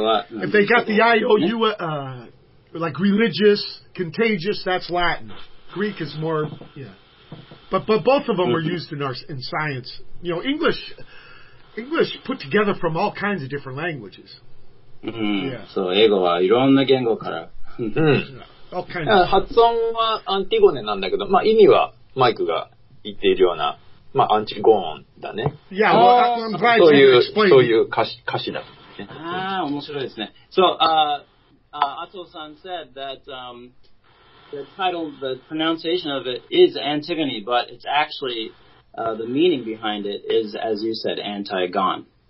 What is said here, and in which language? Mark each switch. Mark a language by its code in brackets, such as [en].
[en] If they got the I-O-U, like religious, contagious, that's Latin. Greek is more, yeah. But both of them are used in science. You know, English put together from all kinds of different languages. So, [ja] 英語はいろんな言語から。 [en] Okay. [ja] 発音はアンティゴネなんだけど、まあ、意味はマイクが言っているような、まあ、アンチゴーンだね。 [en] Yeah, well, [ja] そういう歌詞だ、ね。ああ、面白いですね。 [en] So, アトさん said that, the title, the pronunciation of it is Antigone, but it's actually, the meaning behind it is, as you said, Antigone.